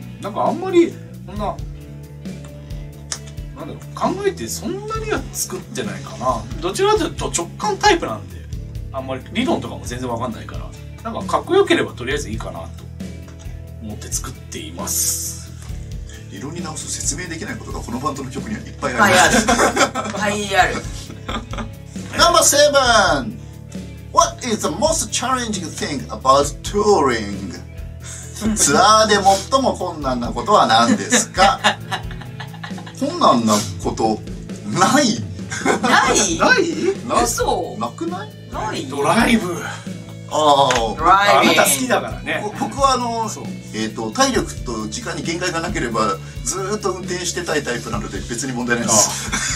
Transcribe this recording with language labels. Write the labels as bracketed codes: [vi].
[ja] なんかあんまりこんな、なんだろう、考えてそんなには作ってないかな。どちらかというと直感タイプなんで、あんまり理論とかも全然わかんないから、なんかかっこよければとりあえずいいかなと思って作っています。理論に直すと説明できないことがこのバンドの曲にはいっぱいあります。はい、ある [en] No.7 What is the most challenging thing about touring? [ja] ツアーで最も困難なことは何ですか？困難なことないないない嘘なくないないドライブ、ああ、あなた好きだからね。僕はあの、体力と時間に限界がなければずっと運転してたいタイプなので別に問題ないです。